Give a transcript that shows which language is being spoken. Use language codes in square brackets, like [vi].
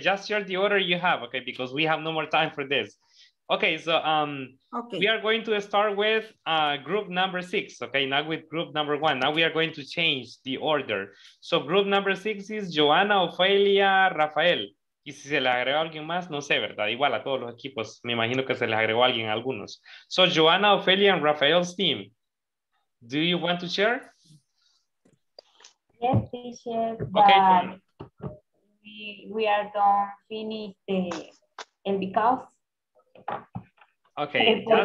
[en] Just share the order you have, okay, because we have no more time for this. Okay, so okay. We are going to start with group number six, okay, not with group number one. Now we are going to change the order. So group number six is Joanna, Ofelia, Rafael. [es] Y si se le agregó alguien más, no sé, ¿verdad? Igual a todos los equipos, me imagino que se les agregó alguien a algunos. [en] So Joanna, Ofelia, and Rafael's team, do you want to share? Yes, teacher, okay. We are done finished the and because. Okay.